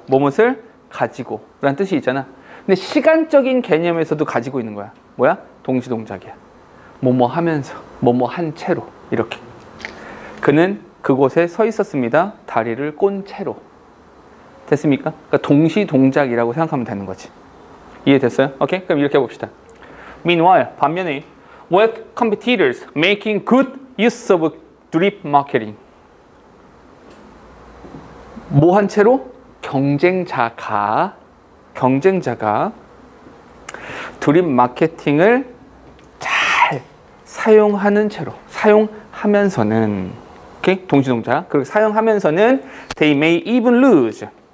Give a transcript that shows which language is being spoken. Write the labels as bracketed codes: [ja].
[ko] 뭐뭇을 가지고 라는 뜻이 있잖아. 근데 시간적인 개념에서도 가지고 있는 거야. 뭐야? 동시동작이야. 뭐뭐 하면서 뭐뭐 한 채로 이렇게. 그는 그곳에 서 있었습니다. 다리를 꼰 채로. 됐습니까? 그러니까 동시동작이라고 생각하면 되는 거지. 이해됐어요? 오케이? 그럼 이렇게 해봅시다. [en] Meanwhile, [ko] 반면에 [en] with competitors making good use of drip marketing. [ko] 뭐 한 채로? 경쟁자가 드립 마케팅을 잘 사용하는 채로, 사용하면서는, 오케이? 동시동작. 그리고 사용하면서는 [en] they may even lose.